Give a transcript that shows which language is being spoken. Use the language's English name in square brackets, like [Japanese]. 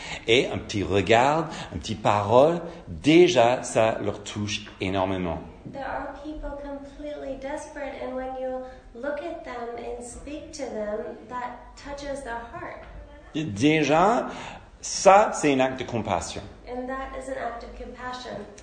[French] Et un petit regard, une petite parole, déjà, ça leur touche énormément. [English] There are people completely desperate, and when you look at them and speak to them, that touches their heart. [French] Déjà, ça, c'est un acte de compassion. [English] And that is an act of compassion.